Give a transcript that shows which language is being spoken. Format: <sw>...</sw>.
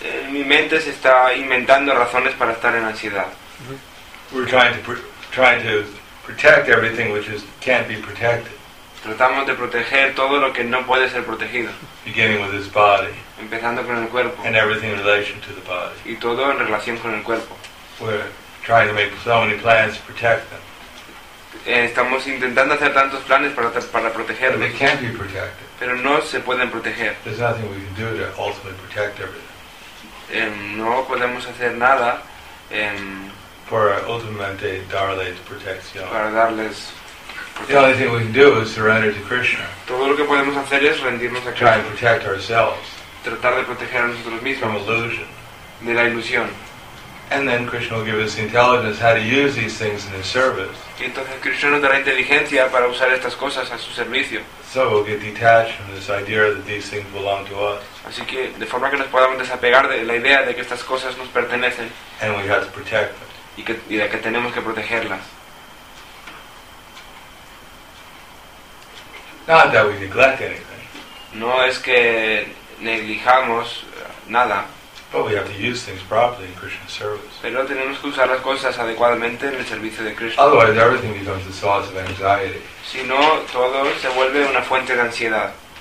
<es>Mi mente se está inventando razones para estar en ansiedad.</es> <en>We're trying to protect everything which is can't be protected.</en> <es>Tratamos de proteger todo lo que no puede ser protegido.</es> <en>Beginning with this body.</en> <es>Empezando con el cuerpo.</es> <en>And everything in relation to the body.</en> <es>Y todo en relación con el cuerpo.</es> <en>We're trying to make so many plans to protect them.</en> <es>Estamos intentando hacer tantos planes para protegerlos.</es> <en>They can't be protected.</en> <es>Pero no se pueden proteger.</es> <en>There's nothing we can do to ultimately protect everything.</en> <es>No podemos hacer nada para ultimamente darles protección. Para darles protección.</es> <en>The only thing we can do is surrender to Krishna.</en> <es>Todo lo que podemos hacer es rendirnos a</es> <en>Krishna. Try and protect ourselves.</en> <es>Tratar de proteger a nosotros mismos.</es> <en>From illusion.</en> <es>De la ilusión.</es> <en>And then Krishna will give us the intelligence how to use these things in his service.</en> <es>Y entonces Krishna nos dará inteligencia para usar estas cosas a su servicio.</es> <en>So we'll get detached from this idea that these things belong to us.</en> <es>Así que de forma que nos podamos desapegar de la idea de que estas cosas nos pertenecen.</es> <en>And we have to protect them.</en> <es>Y de que tenemos que protegerlas.</es> <en>Not that we neglect anything.</en> <es>No es que neglijamos nada.</es> <en>But we have to use things properly in Krishna's service.</en> <es>Pero tenemos que usar las cosas adecuadamente en el servicio de Krishna.</es> <en>Otherwise, everything becomes the source of anxiety.</en> <es>Si no, todo se vuelve una fuente de ansiedad.</es>